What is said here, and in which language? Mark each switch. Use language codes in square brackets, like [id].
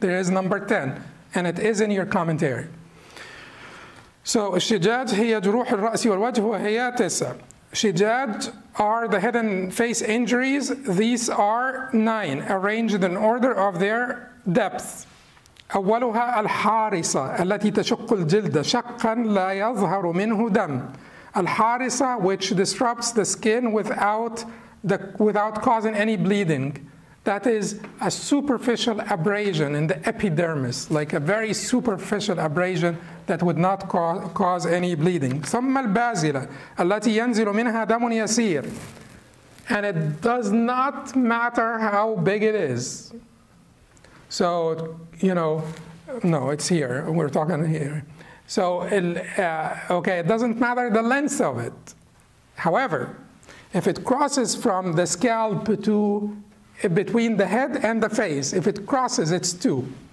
[en] There is number 10, and it is in your commentary. So [ar] al-shijaj hiya juruhu al-ra'si wal-wajh, wa hiya tis'a. [en] Shijaj are the head and face injuries. These are 9, arranged in order of their depth. [ar] أولها الحارسة التي تشق الجلد شقا لا يظهر منه دم. [en] الحارسة, which disrupts the skin without causing any bleeding. That is a superficial abrasion in the epidermis, like a very superficial abrasion that would not cause any bleeding. [ar] ثم البازلة التي ينزل منها دم يسير. [en] And it does not matter how big it is. So, you know, no, it's here. We're talking here. So, it doesn't matter the length of it. However, if it crosses from the scalp to between the head and the face, if it crosses, it's 2.